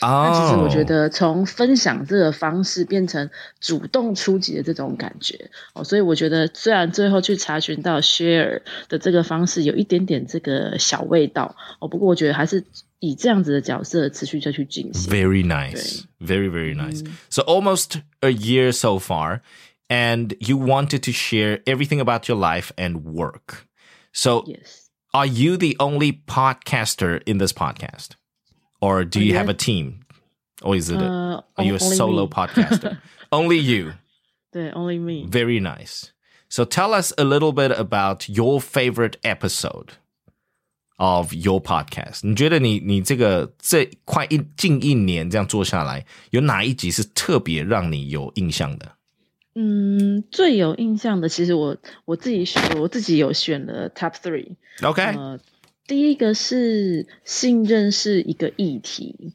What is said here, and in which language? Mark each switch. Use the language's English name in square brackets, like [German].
[Chinese] 但其实我觉得从分享这个方式 变成主动出击的这种感觉, oh, 所以我觉得虽然最后去查询到 share 的这个方式 有一点点这个小味道, oh, 不过我觉得还是 以这样子的角色持续再去进行。 [English] Very nice. [Chinese] 对。 [English] Very, very nice. Mm. So almost a year so far, and you wanted to share everything about your life and work. So yes. Are you the only podcaster in this podcast? Or do you have a team? Or is it are you a solo podcaster? Only you. 对, only me. Very nice. So tell us a little bit about your favorite episode of your podcast. [Chinese] 你觉得 你这个近一年这样做下来有哪一集是特别让你有印象的？最有印象的其实 我自己有选了 top three. [English] OK. [Chinese] 第一个是信任是一个议题